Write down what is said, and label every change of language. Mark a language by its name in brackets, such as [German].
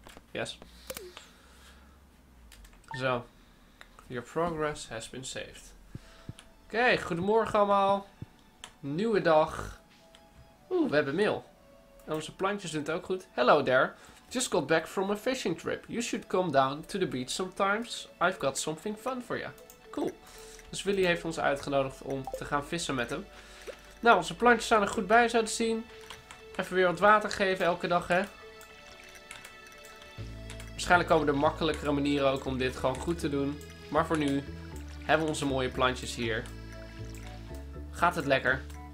[English] Yes. Zo. Your progress has been saved. [Dutch] Oké, goedemorgen allemaal. Nieuwe dag. Oeh, we hebben mail. En onze plantjes doen het ook goed. [English] Hello there. Just got back from a fishing trip. You should come down to the beach sometimes. I've got something fun for you. Cool. [Dutch] Dus Willy heeft ons uitgenodigd om te gaan vissen met hem. Nou, onze plantjes staan er goed bij, zou het zien. Even weer wat water geven elke dag, hè. Waarschijnlijk komen er makkelijkere manieren ook om dit gewoon goed te doen. Maar voor nu hebben we onze mooie plantjes hier. Gaat het lekker.